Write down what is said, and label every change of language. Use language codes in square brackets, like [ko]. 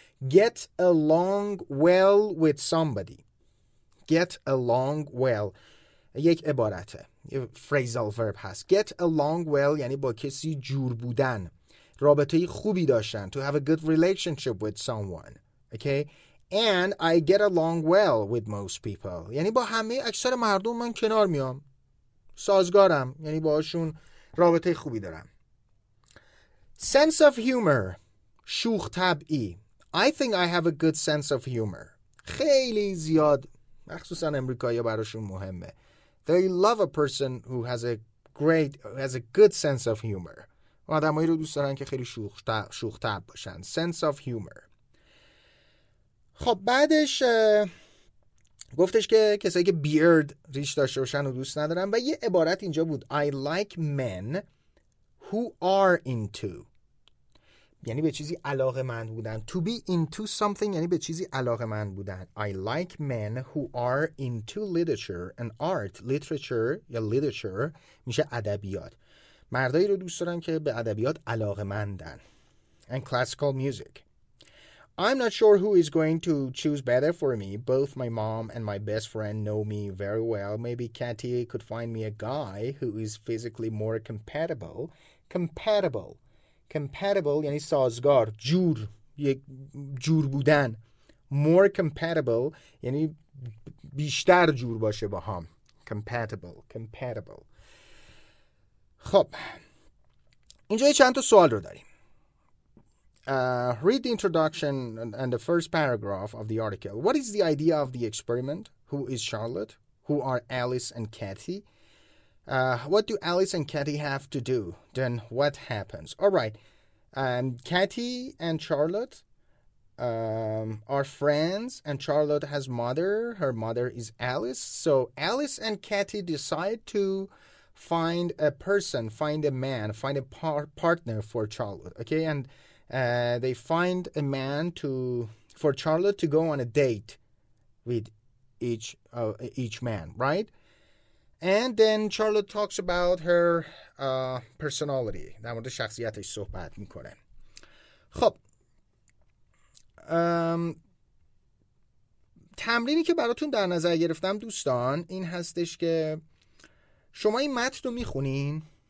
[en] Get along well with somebody. Get along well. [fa] یک عبارته. Phrasal verb هست. Get along well یعنی با کسی جور بودن. رابطه خوبی داشتن. [en] To have a good relationship with someone. Okay? And I get along well with most people. [fa] یعنی با همه اکثر مردم من کنار میام. سازگارم. یعنی باشون رابطه خوبی دارم. [en] Sense of humor. شوخ طبعی. I think I have a good sense of humor. [fa] خیلی زیاد مخصوصا امریکایی براشون مهمه. [en] They love a person who has a great, who has a good sense of humor. [fa] آدمایی رو دوست دارن که خیلی شوخ طبع باشن. [en] Sense of humor. [fa] خب بعدش گفتش که کسایی که بیرد ریش داشته باشن رو دوست ندارن و یه عبارت اینجا بود. [en] I like men who are into. [fa] یعنی به چیزی علاقه‌مند بودن. [en] To be into something [fa] یعنی به چیزی علاقه‌مند بودن. [en] I like men who are into literature and art. [fa] Literature یا literature میشه ادبیات. مردایی رو دوست دارن که به ادبیات علاقه‌مندن. [en] And classical music. I'm not sure who is going to choose better for me. Both my mom and my best friend know me very well. Maybe Katy could find me a guy who is physically more compatible. Compatible. [fa] Compatible یعنی سازگار، جور، یک جور بودن. More compatible یعنی بیشتر جور باشه با هم. [en] Compatible, compatible. [fa] خب اینجا یه چند تا سوال رو داریم. [en] Read the introduction and the first paragraph of the article. What is the idea of the experiment? Who is Charlotte? Who are Alice and Katy? What do Alice and Katy have to do? Then what happens? All right. Katy and Charlotte are friends, and Charlotte has mother. Her mother is Alice. So Alice and Katy decide to find a person, find a man, find a partner for Charlotte. Okay, and they find a man to for Charlotte to go on a date with each man, right? And then Charlotte talks about her personality. [fa] در مورد شخصیتش صحبت میکنه. خب تمرینی که براتون در نظر گرفتم دوستان این هستش که شما این متن رو میخونین.